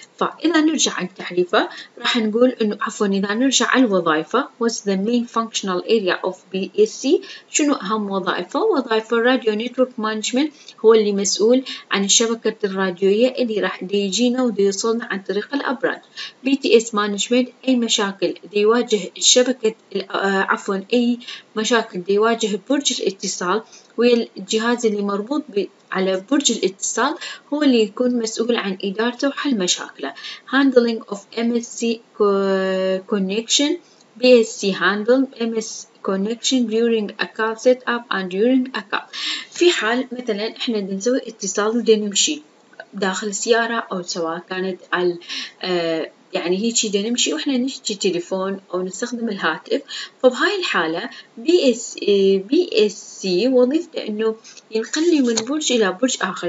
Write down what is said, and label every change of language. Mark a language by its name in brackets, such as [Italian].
[Arabic] فإذا نرجع عن تعريفة راح نقول أنه عفوا إذا نرجع على الوظائفة، [English] What's the main functional area of BSC؟ [Arabic] شنو أهم وظائفة؟ وظائفة الراديو نتورك مانجمنت، هو اللي مسؤول عن الشبكة الراديوية اللي راح يجينا ويوصلنا عن طريق الأبراج. BTS مانجمنت، أي مشاكل يواجه الشبكة، عفوا أي مشاكل يواجه برج الاتصال، والجهاز اللي مربوط على برج الاتصال هو اللي يكون مسؤول عن إدارته وحل مشاكله. [English] Handling of MSC connection, BSC handle MSC connection during a call setup and during a call. [Arabic] في حال مثلا احنا بنسوي اتصال ودين نمشي داخل سيارة، او سواء كانت على يعني هيك دا نمشي واحنا نشتري تليفون او نستخدم الهاتف، فبهاي الحالة BSC وظيفته انه ينقلني من برج الى برج اخر.